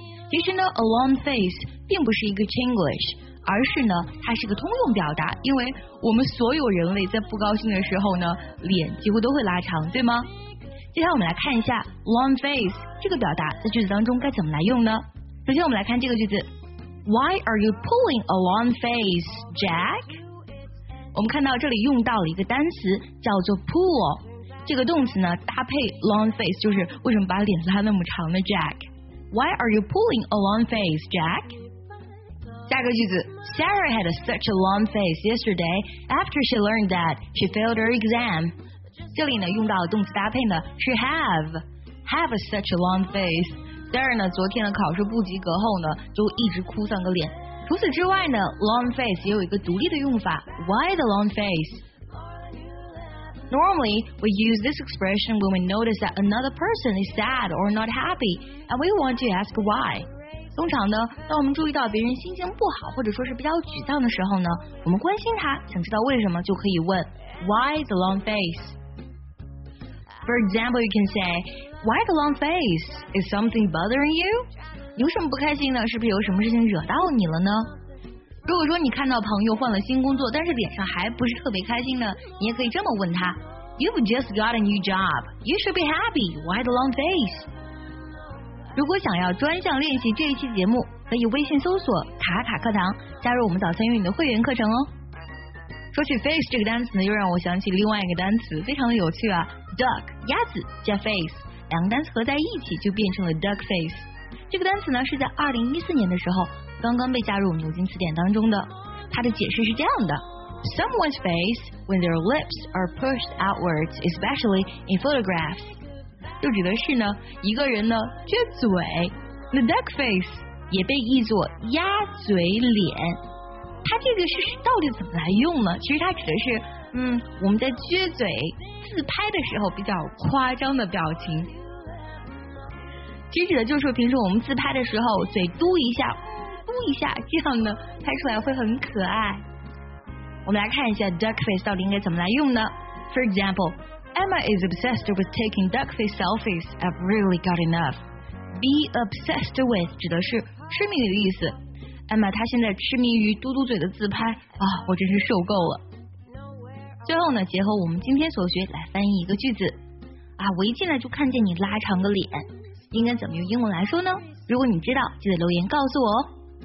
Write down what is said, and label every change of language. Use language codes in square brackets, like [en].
[zh] 其实呢， a long face 并不是一个 Chinglish，而是呢它是个通用表达，因为我们所有人类在不高兴的时候呢，脸几乎都会拉长，对吗？接下来我们来看一下 long face 这个表达在句子当中该怎么来用呢。首先我们来看这个句子， [en] Why are you pulling a long face, Jack? [zh] 我们看到这里用到了一个单词叫做 pull， 这个动词呢搭配 long face 就是为什么把脸拉那么长呢， Jack? [en] Why are you pulling a long face, Jack? [zh] 下一个句子， [en] Sarah had such a long face yesterday after she learned that she failed her exam。 [zh] 这里呢用到的动词搭配呢是 have such a long face。 Sarah 呢昨天的考试不及格后呢就一直哭丧个脸。除此之外呢， long face 也有一个独立的用法， [en] why the long face。 Normally we use this expression when we notice that another person is sad or not happy and we want to ask why。 [zh] 通常呢，当我们注意到别人心情不好或者说是比较沮丧的时候呢，我们关心他，想知道为什么，就可以问 [en] Why the long face? For example, you can say Why the long face? Is something bothering you? [zh] 有什么不开心呢？是不是有什么事情惹到你了呢？如果说你看到朋友换了新工作，但是脸上还不是特别开心呢，你也可以这么问他， [en] You've just got a new job. You should be happy. Why the long face? [zh] 如果想要专项练习这一期节目，可以微信搜索卡卡课堂，加入我们早餐英语的会员课程哦。说起 face 这个单词呢，又让我想起另外一个单词，非常的有趣啊， duck 鸭子加 face， 两个单词合在一起就变成了 duck face。这个单词呢是在2014年的时候刚刚被加入我们牛津词典当中的。它的解释是这样的， [en] Someone's face when their lips are pushed outwards, especially in photographs， [zh] 就指的是呢一个人呢撅嘴， The duck face 也被译作鸭嘴脸。它这个是到底怎么来用呢？其实它指的是我们在撅嘴自拍的时候比较夸张的表情，其实指的就是平时我们自拍的时候嘴嘟一下嘟一下，这样呢拍出来会很可爱。我们来看一下 duck face 到底应该怎么来用呢。 [en] For examplesEmma is obsessed with taking duck face selfies. I've really got enough. [zh] Be obsessed with 指的是痴迷的意思。Emma 她现在痴迷于嘟嘟嘴的自拍啊，我真是受够了。最后呢，结合我们今天所学来翻译一个句子啊，我一进来就看见你拉长个脸，应该怎么用英文来说呢？如果你知道，记得留言告诉我哦。